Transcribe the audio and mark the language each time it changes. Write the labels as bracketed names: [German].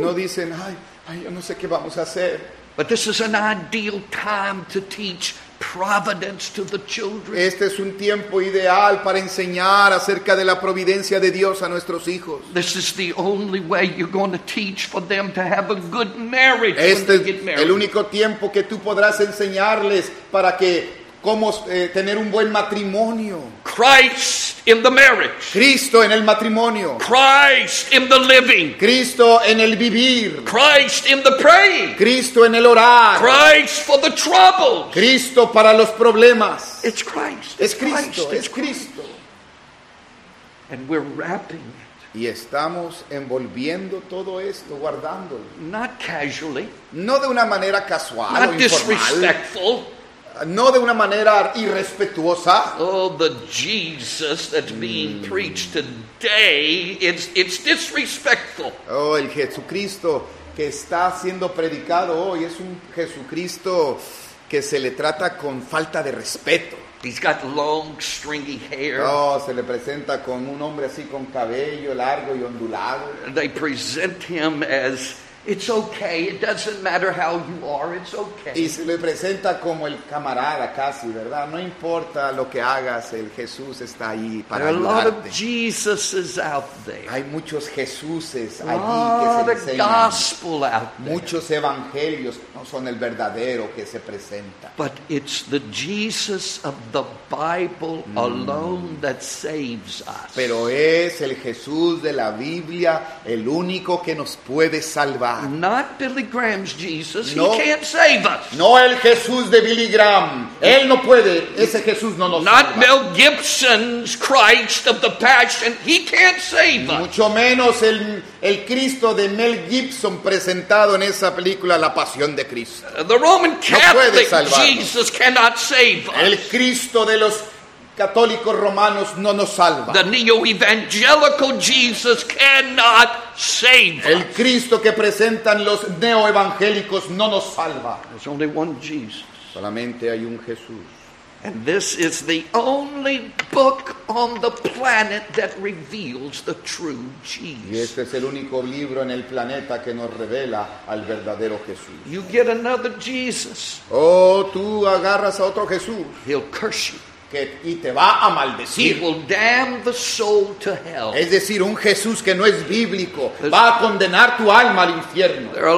[Spanish] No dicen, ay, yo no sé qué vamos a hacer. [English] But this is an ideal time to teach providence to the children. [Spanish] Este es un tiempo ideal para enseñar acerca de la providencia de Dios a nuestros hijos. [English] This is the only way you're going to teach for them to have a good marriage when they get married. [Spanish] El único tiempo que tú podrás enseñarles para que cómo tener un buen matrimonio. [English] Christ in the marriage. [Spanish] Cristo en el matrimonio. [English] Christ in the living. [Spanish] Cristo en el vivir. [English] Christ in the praying. [Spanish] Cristo en el orar. [English] Christ for the troubles. [Spanish] Cristo para los problemas. [English] It's Christ. [Spanish] Es Cristo. Es Cristo. [English] And we're wrapping. [Spanish] Y estamos envolviendo todo esto, guardándolo. [English] Not casually. [Spanish] No de una manera casual. [English] Not disrespectful. [Spanish] No de una manera irrespetuosa. [English] Oh, the Jesus that's being preached today, it's disrespectful. [Spanish] Oh, el Jesucristo que está siendo predicado hoy es un Jesucristo que se le trata con falta de respeto. [English] He's got long, stringy hair. [Spanish] Oh, se le presenta con un hombre así con cabello largo y ondulado. [English] They present him as, it's okay, it doesn't matter how you are, it's okay. [Spanish] Y se le presenta como el camarada casi, ¿verdad? No importa lo que hagas, el Jesús está ahí para ayudarte. [English] There are a lot of Jesuses out there. [Spanish] Hay muchos Jesuses allí que se enseñan. [English] A lot of gospel out there. [Spanish] Muchos evangelios no son el verdadero que se presenta. [English] But it's the Jesus of the Bible alone that saves us. [Spanish] Pero es el Jesús de la Biblia el único que nos puede salvar. salvar. [English] Not Billy Graham's Jesus. No, he can't save us. [Spanish] No el Jesús de Billy Graham. Él no puede. Ese Jesús no nos salva. [English] Not Mel Gibson's Christ of the Passion. He can't save us. [Spanish] Mucho menos el Cristo de Mel Gibson presentado en esa película La Pasión de Cristo. [English] The Roman Catholic Jesus cannot save us. [Spanish] El Cristo de los católicos romanos no nos salva. [English] The neo-evangelical Jesus cannot save us. [Spanish] El Cristo que presentan los neoevangélicos no nos salva. [English] There's only one Jesus. [Spanish] Solamente hay un Jesús. [English] And this is the only book on the planet that reveals the true Jesus. [Spanish] Y este es el único libro en el planeta que nos revela al verdadero Jesús. [English] You get another Jesus. [Spanish] Oh, tú agarras a otro Jesús. [English] He'll curse you. [Spanish] Y te va a maldecir. [English] He will damn the soul to hell. [Spanish] Es decir, un Jesús que no es bíblico va a condenar tu alma al infierno.